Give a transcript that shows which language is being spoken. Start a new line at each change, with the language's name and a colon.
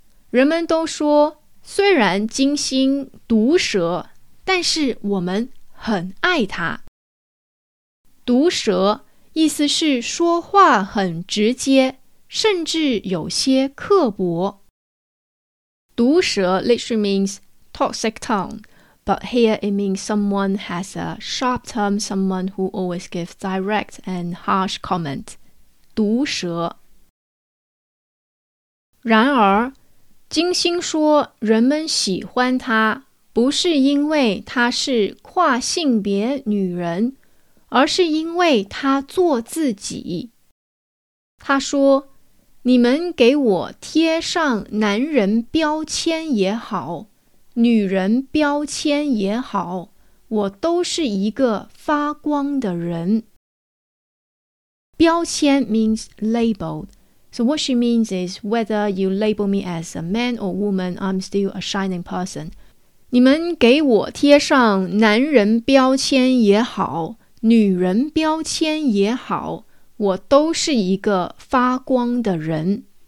Chinese: 人们都说，虽然金星毒舌，但是我们很爱他。毒舌意思是说话很直接，甚至有些刻薄。
English: 毒舌 literally means toxic tongue, but here it means someone has a sharp tongue, someone who always gives direct and harsh comment.
Chinese: 毒舌。然而，金星说人们喜欢他，不是因为他是跨性别女人，而是因为他做自己。他说，你们给我贴上男人标签也好，女人标签也好，我都是一个发光的人。
English: 标签 means labeled. So what she means is whether you label me as a man or woman, I'm still a shining person.
Chinese: 你们给我贴上男人标签也好，女人标签也好，我都是一个发光的人。